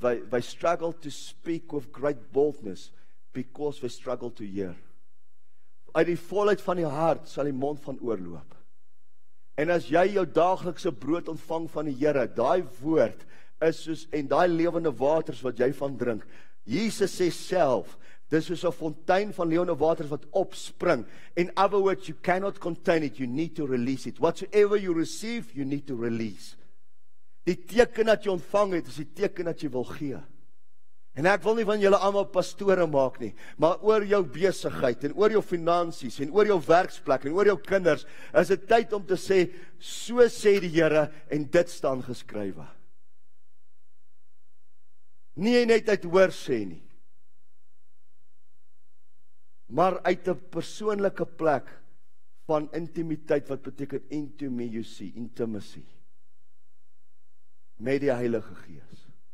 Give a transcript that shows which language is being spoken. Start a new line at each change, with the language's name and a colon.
English: We struggle to speak with great boldness because we struggle to hear.
Afrikaans: Uit die volheid van die hart sal die mond van oorloop. En as jy jou dagelikse brood ontvang van die Here, daai woord is soos en daai lewende waters wat jy van drink. Jesus sê self, dis soos 'n fontein van lewende waters wat opspring.
English: In other words, you cannot contain it, you need to release it. Whatsoever you receive, you need to release.
Afrikaans: Die teken dat jy ontvang het, is die teken dat jy wil gee. En ek wil nie van julle allemaal pastore maak nie, maar oor jou besigheid, en oor jou finansies, en oor jou werksplek, en oor jou kinders, is het tyd om te sê, so sê die Here, en dit staan geskrywe. Nie net uit hoor sê nie, maar uit een persoonlijke plek van intimiteit, wat beteken intimacy, met die Heilige Gees.